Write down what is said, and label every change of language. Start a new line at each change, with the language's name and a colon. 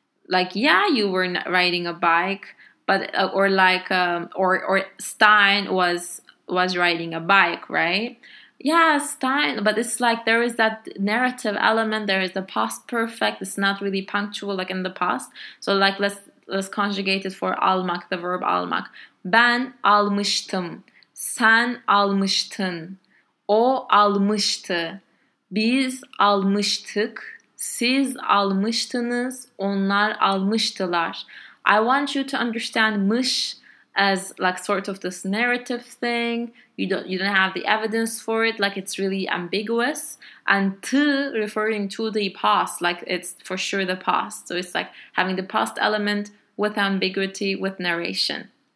English: Like, yeah, you were riding a bike, but or Stein was riding a bike, right? Yes, time, but it's like there is that narrative element, there is the past perfect, it's not really punctual like in the past. So like let's conjugate it for almak, the verb almak.
Turkish: Ben almıştım, sen almıştın, o almıştı, biz almıştık, siz almıştınız, onlar almıştılar.
English: I want you to understand mış as like sort of this narrative thing. You don't have the evidence for it, like it's really ambiguous. And to referring to the past, like it's for sure the past. So it's like having the past element with ambiguity, with narration.